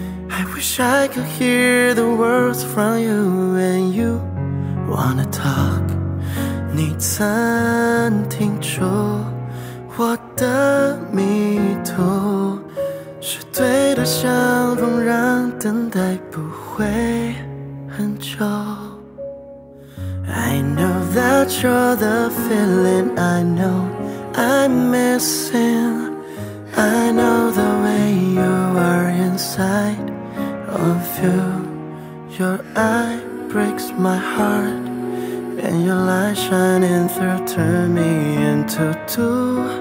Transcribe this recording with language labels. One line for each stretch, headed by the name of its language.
English: I wish I could hear the words from you when you wanna talk.
Chinese: 你暂停住我的迷途，是对的相逢，让等待不会很久。
English: I know that you're the feeling I know I'm missing. I know the way you are inside of you. Your eye breaks my heartAnd your light shining through turn me into two.